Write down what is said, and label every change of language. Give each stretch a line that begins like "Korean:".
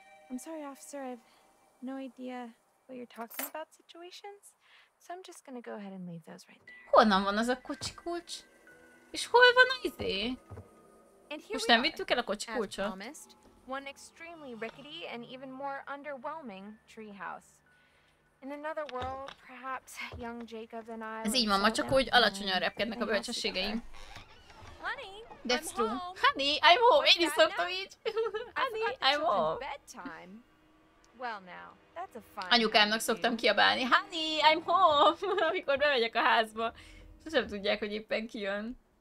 English: I'm sorry, officer, I have no idea what you're talking about situations. So I'm just gonna go ahead and leave those right there.
Hungarian: Honnan van az a kocsi kulcs? És hol van az izé? Most nem vittük el a kocsi kulcsa.
English: One extremely rickety and even more underwhelming treehouse. In another world, perhaps young Jacob and I.
Hungarian: Ez így van, ma csak úgy alacsonyan repkednek a bölcsességeim.
English: Honey, that's I'm true. Home. Honey, I'm home.
Hungarian: Én is szoktam így.
English: Honey, I'm home. Bedtime. Well now, that's a fine.
Hungarian: Anyukámnak szoktam kiabálni.
English: Honey, I'm home.
Hungarian: Amikor bemegyek a házba, sosem tudják, hogy éppen kijön.